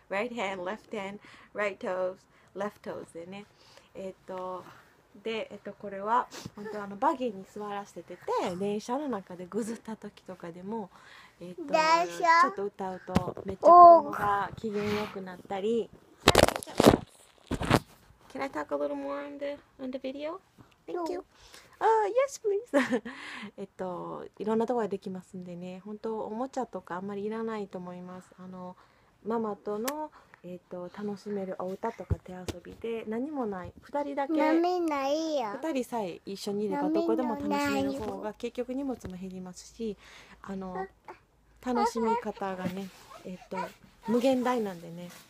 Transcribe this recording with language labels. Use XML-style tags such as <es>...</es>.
<en>Right hand, left hand, right toes, left toes</en> <ja>でね。これは本当バギーに座らせてて、電車の中でぐずった時とかでも、ちょっと歌うとめっちゃ子供が機嫌よくなったり。</ja> <en>Can I talk a little more on the video? Thank you. Yes, please.</en> <ja>いろんなところでできますんでね。本当おもちゃとかあんまりいらないと思います。ママとの楽しめるお歌とか手遊びで何もない二人だけ。何ないよ。二人さえ一緒にいればどこでも楽しめる方が結局荷物も減りますし、楽しみ方がね無限大なんでね。</ja>